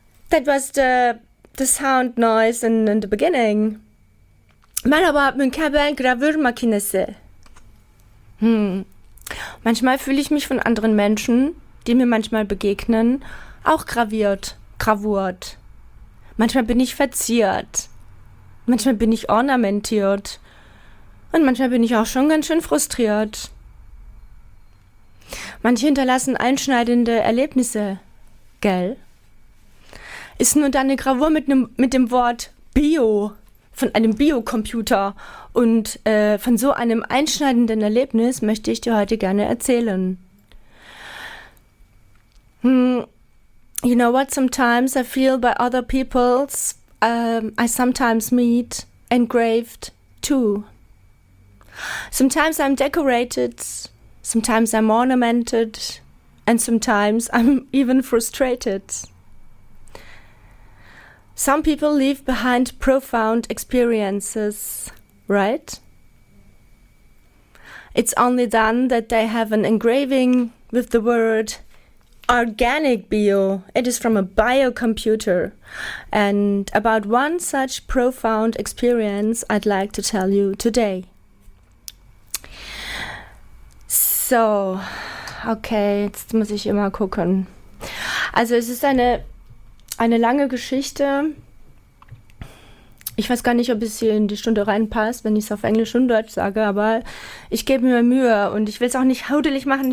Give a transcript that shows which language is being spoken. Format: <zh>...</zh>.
<en>That was the sound noise in the beginning.</en> <tr>Merhaba, mükemmel gravür makinesi.</tr> <de>Manchmal fühle ich mich von anderen Menschen, die mir manchmal begegnen, auch graviert, gravurt. Manchmal bin ich verziert. Manchmal bin ich ornamentiert. Und manchmal bin ich auch schon ganz schön frustriert. Manche hinterlassen einschneidende Erlebnisse, gell? Ist nur deine Gravur mit dem Wort Bio von einem Biocomputer und von so einem einschneidenden Erlebnis möchte ich dir heute gerne erzählen.</de> <en>You know what? Sometimes I feel by other people's I sometimes meet engraved too. Sometimes I'm decorated, sometimes I'm ornamented, and sometimes I'm even frustrated. Some people leave behind profound experiences, right? It's only then that they have an engraving with the word organic bio. It is from a biocomputer. And about one such profound experience I'd like to tell you today.</en> <de>So, okay, jetzt muss ich immer gucken. Also es ist eine lange Geschichte. Ich weiß gar nicht, ob es hier in die Stunde reinpasst, wenn ich es auf Englisch und Deutsch sage, aber ich gebe mir Mühe und ich will es auch nicht haudelig machen.</de>